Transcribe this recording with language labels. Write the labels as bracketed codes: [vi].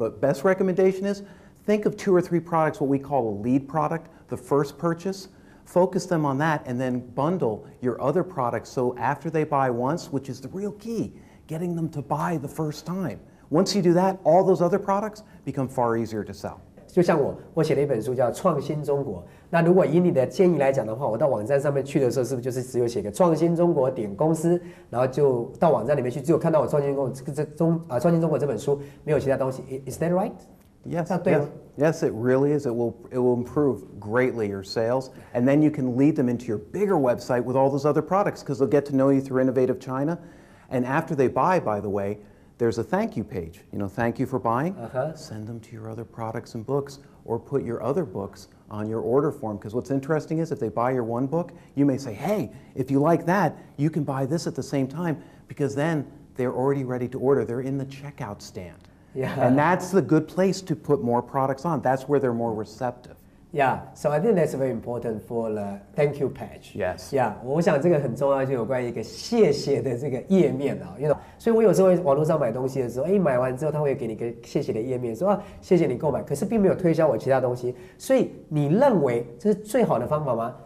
[en] But best recommendation is,Think of 2 or 3 products, what we call a lead product, the first purchase. Focus them on that and then bundle your other products so after they buy once, which is the real key, getting them to buy the first time. Once you do that, all those other products become far easier to sell. [zh] 就像我写了一本书叫《创新中国》。那如果以你的建议来讲的话，我到网站上面去的时候，是不是就是只有写个创新中国点公司，然后就到网站里面去，只有看到我创新中国这本书，没有其他东西。 [en] Is that right? Yes, it really is. It will improve greatly your sales. And then you can lead them into your bigger website with all those other products because they'll get to know you through Innovative China. And after they buy, by the way, there's a thank you page. You know, thank you for buying. Uh-huh. Send them to your other products and books or put your other books on your order form. Because what's interesting is if they buy your one book, you may say, hey, if you like that, you can buy this at the same time because then they're already ready to order. They're in the checkout stand. Yeah. And that's the good place to put more products on. That's where they're more receptive. Yeah, so I think that's very important for the thank you page. Yes. [zh] Yeah, 我想这个很重要，就有关于一个谢谢的这个页面啊，因为所以我有时候网络上买东西的时候，哎，买完之后他会给你一个谢谢的页面，说啊谢谢你购买，可是并没有推销我其他东西。所以你认为这是最好的方法吗？